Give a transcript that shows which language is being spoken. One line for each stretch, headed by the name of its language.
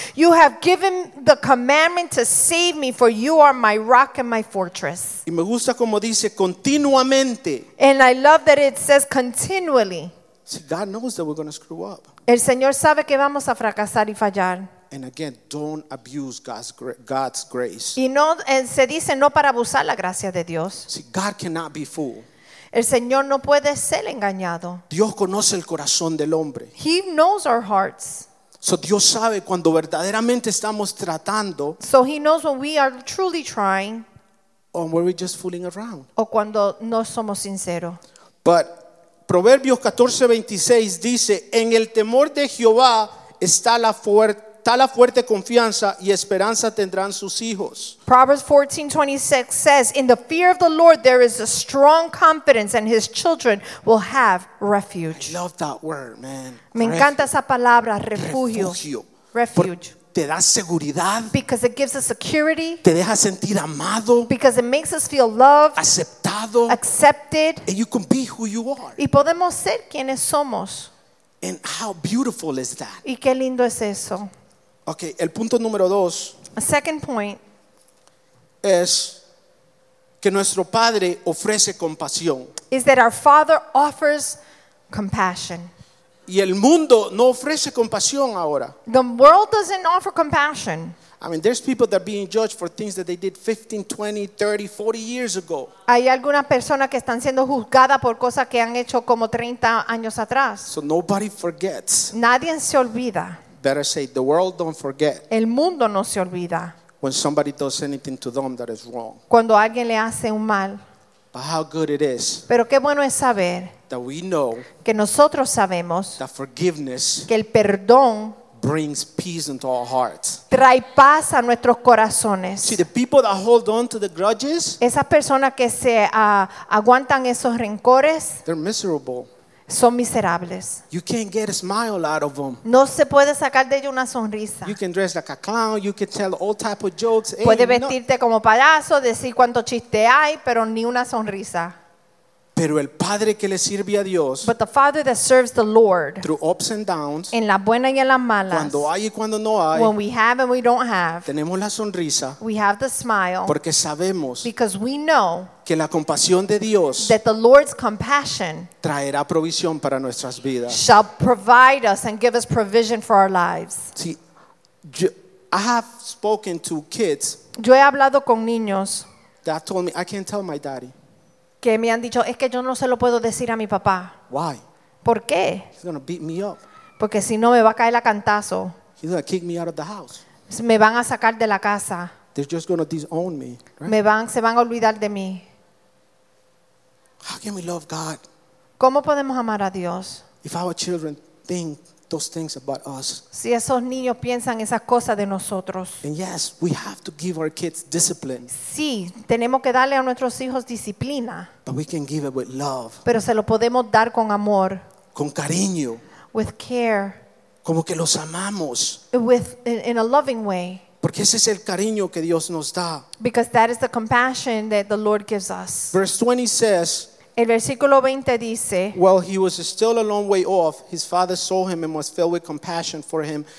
English: You have given the commandment to save me, for you are my rock and my fortress.
Spanish: Y me gusta como dice continuamente.
English: And I love that it says continually. See, God knows that we're going to screw up.
Spanish: El Señor sabe que vamos a fracasar y fallar.
English: And again, don't abuse God's grace.
Spanish: Y no, se dice no para abusar la gracia de Dios.
English: See, God cannot be fooled.
Spanish: El Señor no puede ser engañado. Dios conoce el corazón del hombre.
English: He knows our hearts.
Spanish: So Dios sabe cuando verdaderamente estamos tratando.
English: So he knows when we are truly trying. Or when we're just fooling around.
Spanish: O cuando no somos sinceros. But Proverbios 14:26 dice, en el temor de Jehová está la fuerza. Está la fuerte confianza y esperanza tendrán sus hijos.
English: Proverbs 14:26 says, in the fear of the Lord there is a strong confidence and his children will have refuge. I love that word, man.
Spanish: Me encanta esa palabra, refugio. Refugio.
English: Refuge.
Spanish: Te da seguridad.
English: Because it gives us security.
Spanish: Te deja sentir amado.
English: Because it makes us feel loved.
Spanish: Aceptado.
English: Accepted. And you can be who you are.
Spanish: Y podemos ser quienes somos.
English: And how beautiful is that?
Spanish: Y qué lindo es eso. Okay, el punto número dos.
English: A second point
Spanish: es que nuestro padre ofrece compasión.
English: Is that our father offers compassion.
Spanish: Y el mundo no ofrece compasión ahora.
English: The world doesn't offer compassion. I mean, there's people that are being judged for things that they did 15, 20, 30, 40 years ago.
Spanish: Hay alguna persona que están siendo juzgada por cosas que han hecho como 30 años atrás.
English: So nobody forgets.
Spanish: Nadie se olvida.
English: Better say, the world don't forget.
Spanish: El mundo no se olvida.
English: When somebody does anything to them that is wrong.
Spanish: Cuando alguien le hace un mal.
English: But how good it is.
Spanish: Pero qué bueno es saber.
English: That we know.
Spanish: Que nosotros sabemos.
English: That forgiveness.
Spanish: Que el perdón.
English: Brings peace into our hearts.
Spanish: Trae paz a nuestros corazones.
English: See, the people that hold on to the grudges.
Spanish: Esas personas que se aguantan esos rencores.
English: They're miserable.
Spanish: Son miserables.
English: You can't get a smile out of them.
Spanish: No se puede sacar de ellos una sonrisa.
English: You can dress like a clown. You can tell all type of jokes.
Spanish: Puede vestirte como payaso, decir cuánto chiste hay, pero ni una sonrisa. Pero el padre que le sirve a Dios,
English: but the father that serves the Lord, through ups and downs,
Spanish: en las buenas y en las malas, cuando hay y cuando no hay,
English: when we have and we don't have,
Spanish: tenemos la sonrisa,
English: we have the smile,
Spanish: porque sabemos,
English: because we know,
Spanish: que la compasión de Dios,
English: that the Lord's compassion,
Spanish: traerá provisión para nuestras vidas,
English: shall provide us and give us provision for our lives. See, I have spoken to kids,
Spanish: yo he hablado con niños,
English: that told me I can't tell my daddy.
Spanish: Que me han dicho es que yo no se lo puedo decir a mi papá.
English: Why?
Spanish: ¿Por qué?
English: He's gonna beat me up.
Spanish: Porque si no me va a caer a cantazo.
English: He's gonna kick me out of the house.
Spanish: Me van a sacar de la casa.
English: They're just gonna disown me. Right?
Spanish: Se van a olvidar de mí.
English: How can we love God?
Spanish: ¿Cómo podemos amar a Dios?
English: If our children think those things about us.
Spanish: Si esos niños piensan esas cosas de nosotros.
English: And yes, we have to give our kids discipline.
Spanish: Sí, tenemos que darle a nuestros hijos disciplina.
English: But we can give it with love.
Spanish: Pero se lo podemos dar con amor. Con cariño.
English: With care.
Spanish: Como que los amamos.
English: In a loving way.
Spanish: Porque ese es el cariño que Dios nos da.
English: Because that is the compassion that the Lord gives us. Verse 20 says.
Spanish: El versículo 20 dice,
English: while he was still a long way off, his father saw him and was filled with compassion for him.